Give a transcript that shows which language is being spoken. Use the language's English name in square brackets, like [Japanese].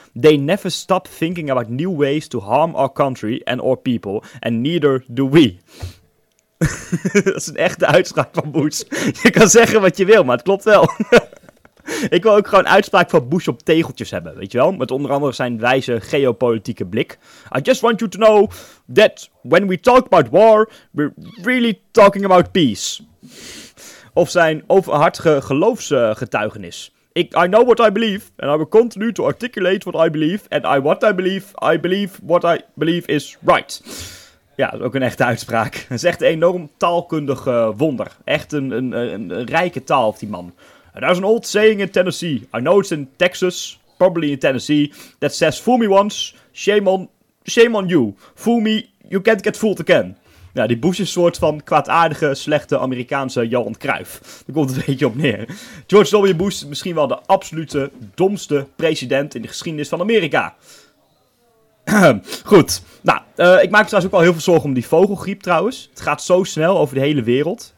[English] They never stop thinking about new ways to harm our country and our people, and neither do we. [Dutch] Dat is een echte uitspraak van Bush. Je kan zeggen wat je wil, maar het klopt wel. Ik wil ook gewoon uitspraak van Bush op tegeltjes hebben, weet je wel? Met onder andere zijn wijze geopolitieke blik. [English] I just want you to know that when we talk about war, we're really talking about peace. [Dutch] Of zijn overhartige geloofsgetuigenis. [English] I know what I believe, and I will continue to articulate what I believe, and I believe what I believe is right. [Dutch] Ja, dat is ook een echte uitspraak. Dat is echt een enorm taalkundig wonder. Echt een rijke taal, die man. [English] There's an old saying in Tennessee. I know it's in Texas, probably in Tennessee, that says, fool me once, shame on you. Fool me, you can't get fooled again. [Dutch] Ja, die Bush is een soort van kwaadaardige, slechte Amerikaanse Johan Cruijff. Daar komt het een beetje op neer. George W. Bush is misschien wel de absolute domste president in de geschiedenis van Amerika. Goed. Nou, ik maak me trouwens ook wel heel veel zorgen om die vogelgriep trouwens. Het gaat zo snel over de hele wereld.